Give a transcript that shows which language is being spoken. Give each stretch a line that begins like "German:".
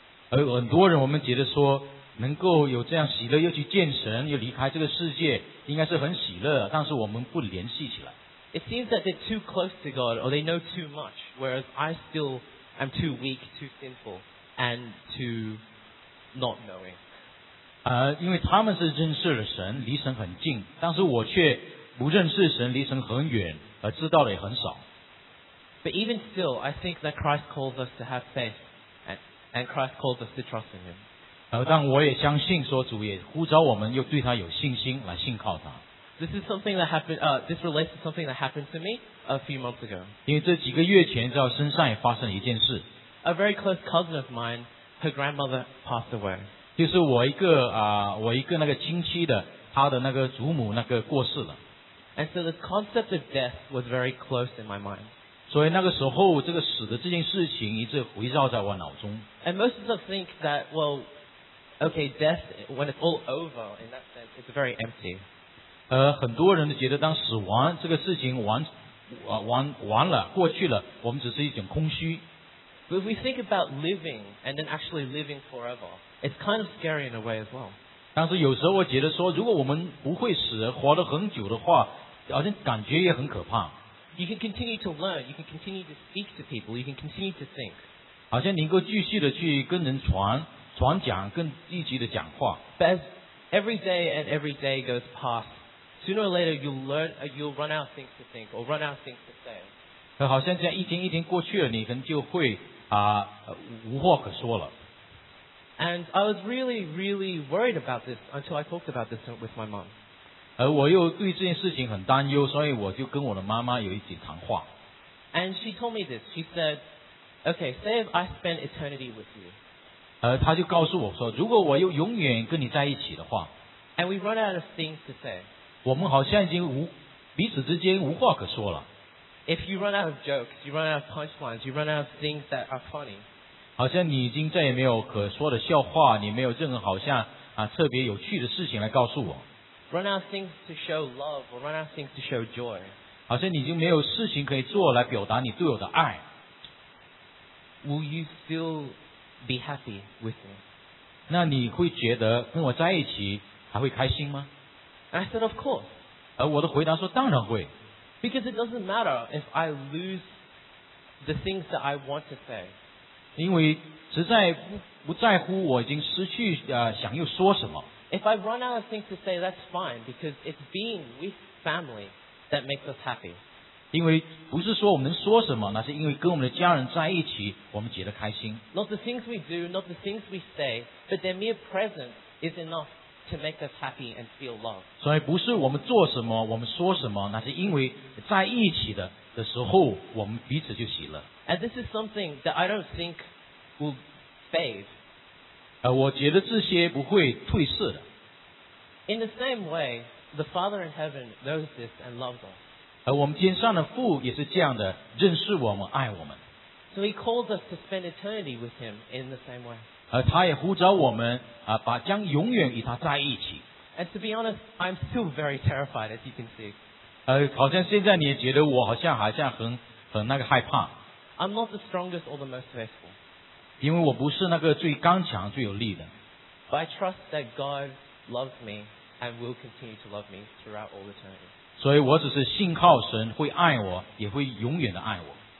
Chinese: 而很多人我们觉得说能够有这样喜乐又去见神又离开这个世界应该是很喜乐但是我们不联系起来
English: It seems that they're too close to God or they know too much whereas I still am too weak, too sinful and too not knowing
Chinese: 因为他们是认识了神离神很近但是我却不认识神离神很远而知道的也很少
English: But even still, I think that Christ calls us to have faith and Christ calls us to trust in Him
Chinese: 但我也相信说主也呼召我们又对他有信心来信靠他
English: This is something that happened this relates to something that happened to me a few months ago
Chinese: 因为这几个月前在我身上也发生了一件事
English: A very close cousin of mine her grandmother passed away
Chinese: 就是我一个我一个那个亲戚的他的那个祖母那个过世了
English: And so this concept of death was very close in my mind
Chinese: 所以那个时候这个死的这件事情一直回绕在我脑中
English: And most of us think that wellOkay, death, when it's all over, in that sense, it's very empty.
Chinese: 很多人觉得当死亡这个事情完了过去了我们只是一种空虚。
English: But if we think about living and then actually living forever, it's kind of scary in a way as well.
Chinese: 但是有时候我觉得说如果我们不会死活得很久的话好像感觉也很可怕。
English: You can continue to learn, you can continue to speak to people, you can continue to think.
Chinese: 好像能够继续的去跟人传讲更积极的讲话。
English: But as every day and every day goes past, sooner or later you'll run out of things to think or run out of things to say.
Chinese: 好像这样一天一天过去了，你可能就会无话可说了。
English: And I was really, really worried about this until I talked about this with my mom.
Chinese: 我又对这件事情很担忧，所以我就跟我的妈妈有一起谈话。
English: And she told me this. She said, "Okay, say if I spend eternity with you."
Chinese: 他就告诉我说如果我又永远跟你在一起的话
English: And we run out of things to say
Chinese: 我们好像已经彼此之间无话可说了
English: If you run out of jokes, you run out of punchlines, you run out of things that are funny
Chinese: 好像你已经再也没有可说的笑话你没有任何好像特别有趣的事情来告诉我
English: Run out of things to show love or run out of things to show joy
Chinese: 好像你已经没有事情可以做来表达你对我的爱
English: Will you still... Be happy with me.
Chinese: 那你会觉得跟我在一起还会开心吗
English: ？And I said, of course.
Chinese: 我的回答说当然会。
English: Because it doesn't matter if I lose the things that I want to say.
Chinese: 因为实在不在乎我已经失去想要说什么。
English: If I run out of things to say, that's fine because it's being with family that makes us happy.
Chinese: 因为不是说我们能说什么那是因为跟我们的家人在一起我们觉得开心
English: Not the things we do, not the things we say but their mere presence is enough to make us happy and feel love
Chinese: 所以不是我们做什么我们说什么那是因为在一起的时候我们彼此就喜乐
English: And this is something that I don't think will fade
Chinese: 我觉得这些不会退色的
English: In the same way the Father in Heaven knows this and loves us
Chinese: 我们天上的父也是这样的认识我们爱我们
English: so he calls us to spend eternity with him in the same way
Chinese: 他也呼召我们把将永远与他在一起
English: and to be honest I'm still very terrified as you can see
Chinese: 好像现在你也觉得我好像很那个害怕
English: I'm not the strongest or the most faithful
Chinese: 因为我不是那个最刚强最有力的
English: but I trust that God loves me and will continue to love me throughout all eternity
Chinese: 所以我只是信靠神会爱我也会永远的爱我